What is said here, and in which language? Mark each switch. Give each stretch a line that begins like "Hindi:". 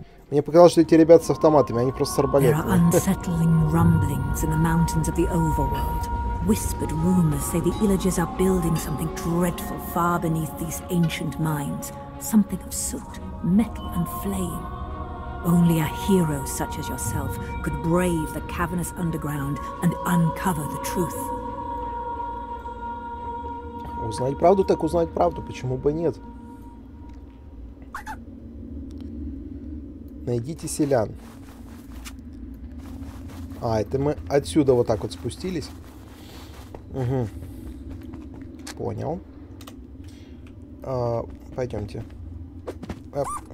Russian: Мне показалось, что эти ребята с автоматами, они просто с арбалетами.
English: Only a hero such as yourself could brave the cavernous underground and uncover the truth.
Russian: Узнать правду, так узнать правду, почему бы нет? Найдите селян. А, это мы отсюда вот так вот спустились. Угу. Понял. А, пойдемте. Оп.